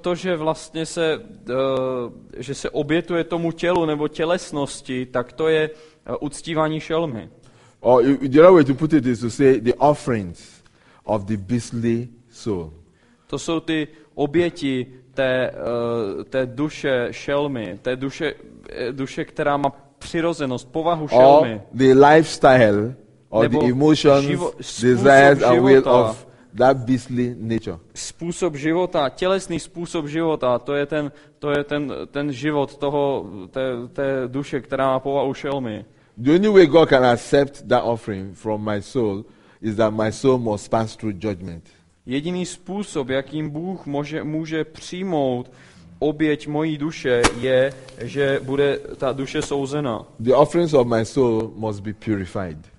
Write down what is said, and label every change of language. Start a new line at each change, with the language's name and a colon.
Czech: To že vlastně se že se obětuje tomu tělu nebo tělesnosti, tak to je uctívání šelmy.
English: Or the other way to put it is to say the offerings of the beastly soul.
Czech: To jsou ty oběti té duše šelmy, té duše, která má přirozenost, povahu šelmy.
English: Or the lifestyle or the emotions, desires and will of that beastly nature.
Czech: Způsob života, tělesný způsob života, to je ten život toho té duše, která má povahu šelmy.
English: The only way God can accept that offering from my soul is that my soul must pass through judgment.
Czech: Jediný způsob, jakým Bůh může přijmout oběť mojí duše, je, že bude ta duše souzena.
English: The offerings of my soul must be purified.